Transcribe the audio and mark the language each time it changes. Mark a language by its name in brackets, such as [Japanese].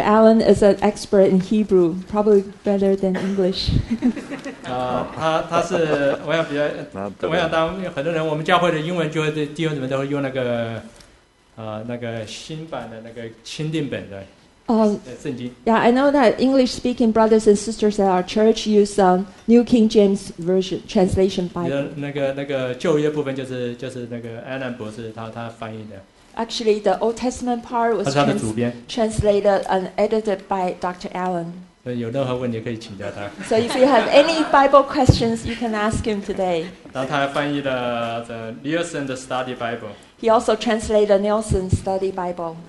[English] Alan is an expert in Hebrew, probably better than English. [Chinese] 他是我想比较，我想当很多人，我们教会的英文就会弟兄姊妹都会用那个，那个新版的那个钦定本的，圣经。 [English] Yeah, I know that English-speaking brothers and sisters at our church use New King James Version translation Bible. [Chinese] 那个旧约部分就是那个 Alan 博士他翻译的。 [English] Actually, the Old Testament part was translated and edited by Dr. Alan. So if you have any Bible questions, you can ask him today. He also translated the Nielsen Study Bible.